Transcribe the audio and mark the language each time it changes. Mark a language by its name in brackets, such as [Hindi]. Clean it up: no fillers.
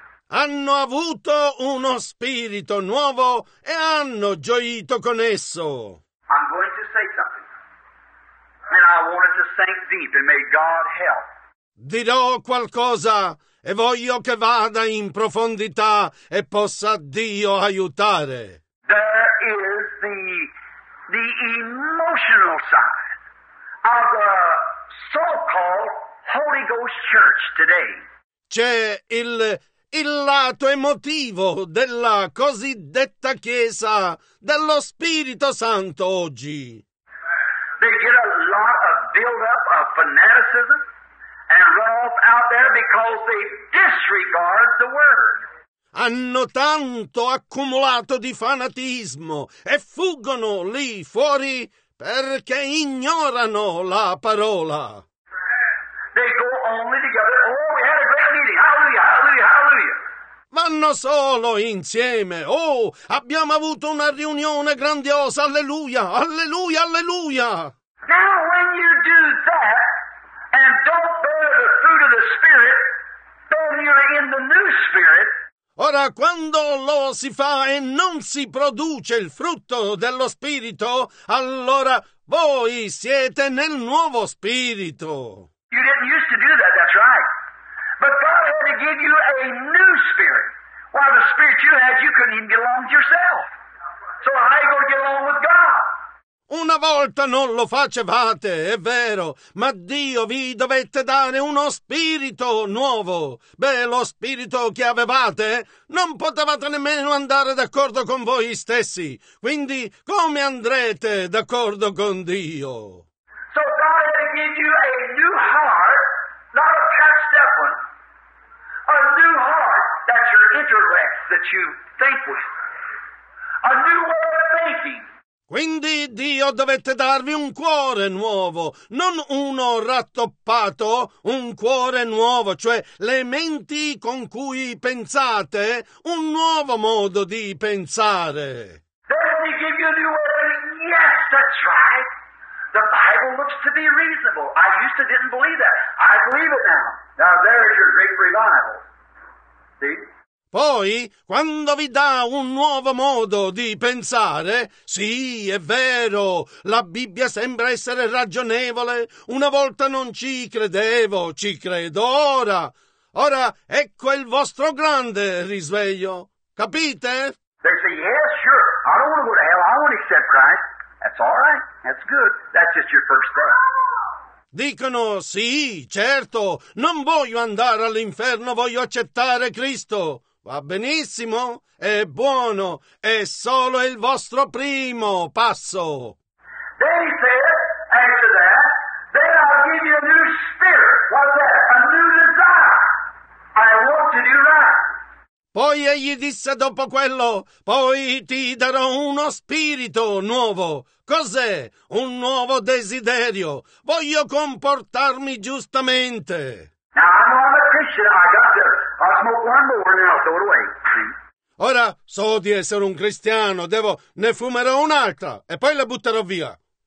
[Italian] Hanno avuto uno spirito nuovo e hanno gioito con esso. [English] I'm going to say something, and I wanted to sink deep, and may God help. [Italian] Dirò qualcosa e voglio che vada in profondità e possa Dio aiutare. [English] There is the emotional side of the so-called Holy Ghost Church today. [Italian] C'è il lato emotivo della cosiddetta Chiesa dello Spirito Santo oggi. [English] They get a lot of build-up of fanaticism and run off out there because they disregard the Word. [Italian] Hanno tanto accumulato di fanatismo e fuggono lì fuori perché ignorano la parola. [English] They go only together. Oh, we had a great meeting. Hallelujah, hallelujah, hallelujah. [Italian] Vanno solo insieme. Oh, abbiamo avuto una riunione grandiosa. Alleluia, alleluia, alleluia. [English] Now, when you do that and don't bear the fruit of the Spirit, then you're in the new Spirit. [Italian] Ora, quando lo si fa e non si produce il frutto dello Spirito, allora voi siete nel nuovo Spirito. [English] You didn't used to do that, that's right. But God had to give you a new spirit. While the spirit you had, you couldn't even get along with yourself. So how are you going to get along with God? [Italian] Una volta non lo facevate, è vero, ma Dio vi dovette dare uno spirito nuovo. Beh, lo spirito che avevate, non potevate nemmeno andare d'accordo con voi stessi. Quindi, come andrete d'accordo con Dio? [English] So God had to give you a new heart, not a patched up one. A new heart that's your intellect that you think with. A new way of thinking. [Italian] Quindi Dio dovette darvi un cuore nuovo, non uno rattoppato, un cuore nuovo, cioè le menti con cui pensate, un nuovo modo di pensare. [English] Then he gave you a new word. Yes, that's right. The Bible looks to be reasonable. I used to didn't believe that. I believe it now. Now there is your great revival. See? [Italian] Poi, quando vi dà un nuovo modo di pensare, sì, è vero, la Bibbia sembra essere ragionevole. Una volta non ci credevo, ci credo ora. Ora ecco il vostro grande risveglio. Capite? [English] They say, yes, sure. I don't want to go to hell. I want to accept Christ. That's all right. That's good. That's just your first step. [Italian] Dicono, sì, certo, non voglio andare all'inferno, voglio accettare Cristo. Va benissimo, è buono, è solo il vostro primo passo. [English] Then he said, after that, then I'll give you a new spirit. What's that? A new desire. I want to do right. [Italian] Poi egli disse dopo quello, poi ti darò uno spirito nuovo. Cos'è? Un nuovo desiderio. Voglio comportarmi giustamente. [English] Now I know I'm a Christian, I got this. I'll smoke one more and then I'll throw it away. [Italian] Ora so di essere un cristiano, devo ne fumerò un'altra e poi la butterò via.